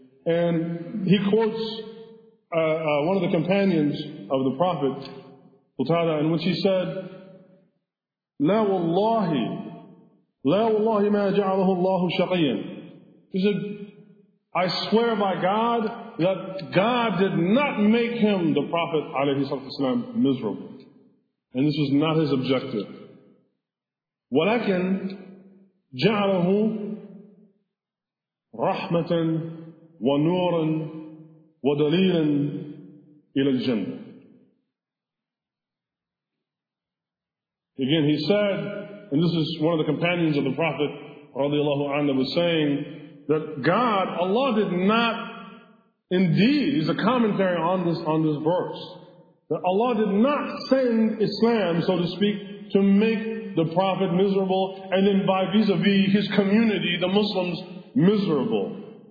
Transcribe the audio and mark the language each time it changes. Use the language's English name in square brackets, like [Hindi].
[English] And he quotes one of the companions of the Prophet, Qutada, in which he said, [Arabic] لا والله ما جعله الله شقيا. [English] He said, I swear by God that God did not make him, the Prophet [Arabic] عليه الصلاة والسلام, [English] miserable. And this was not his objective. [Arabic] ولكن جعله رحمة ونورا ودليلا إلى الجنة. [English] Again, he said, and this is one of the companions of the Prophet radiallahu anhu was saying, that God, Allah did not, indeed, is a commentary on this verse, that Allah did not send Islam, so to speak, to make the Prophet miserable, and then by vis-a-vis his community, the Muslims, miserable.